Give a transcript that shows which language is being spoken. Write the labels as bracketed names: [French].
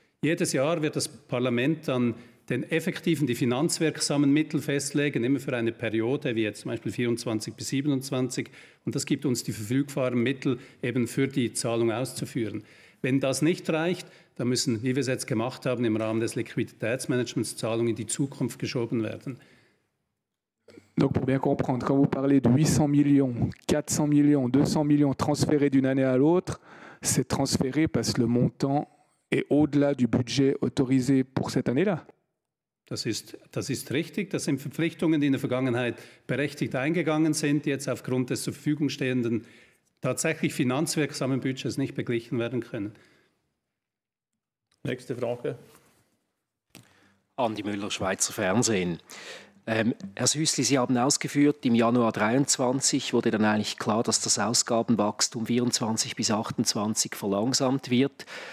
[German] Jedes Jahr wird das Parlament dann den effektiven, die finanzwirksamen Mittel festlegen, immer für eine Periode, wie jetzt zum Beispiel 24 bis 27. Und das gibt uns die verfügbaren Mittel, eben für die Zahlung auszuführen. Wenn das nicht reicht, dann müssen, wie wir es jetzt gemacht haben, im Rahmen des Liquiditätsmanagements Zahlungen in die Zukunft geschoben werden. [French] Donc pour bien comprendre, quand vous parlez de 800 millions, 400 millions, 200 millions transférés d'une année à l'autre, c'est transféré parce que le montant est au-delà du budget autorisé pour cette année-là. [German] Das ist richtig. Das sind Verpflichtungen, die in der Vergangenheit berechtigt eingegangen sind, die jetzt aufgrund des zur Verfügung stehenden tatsächlich finanzwirksamen Budgets nicht beglichen werden können. Nächste Frage. Andi Müller, Schweizer Fernsehen. Herr Süssli, Sie haben ausgeführt, im Januar 2023 wurde dann eigentlich klar, dass das Ausgabenwachstum 24 bis 28 verlangsamt wird.